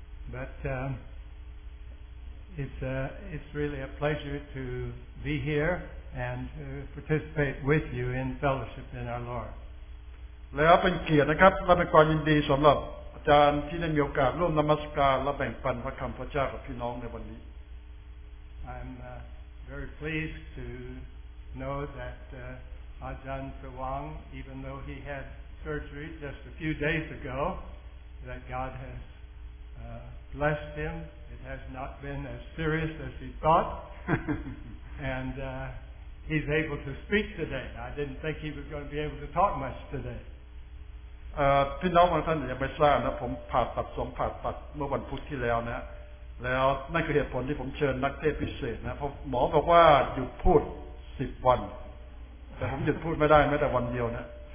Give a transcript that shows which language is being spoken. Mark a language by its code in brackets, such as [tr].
[en] but it's really a pleasure to be here and to participate with you in fellowship in our Lord [th] แล้วเป็นเกียรตินะครับและเป็นความยินดีสำหรับอาจารย์ที่ได้มีโอกาสร่วมนมัสการและแบ่งปันพระคำพระเจ้ากับพี่น้องในวันนี้ [en] I'm very pleased to know that Ajahn Sawang, even though he had surgery just a few days ago, that God has blessed him. It has not been as serious as he thought. And he's able to speak today. I didn't think he was going to be able to talk much today. [th] พี่น้องบางท่านอาจจะไม่ทราบนะผมผ่าตัดสองผ่าตัดเมื่อวันพุธที่แล้วนะแล้วนั่นคือเหตุผลที่ผมเชิญนักเทศพิเศษนะเพราะหมอบอกว่าหยุดพูด10วันแต่ผมหยุดพูดไม่ได้แม้แต่วันเดียวนะ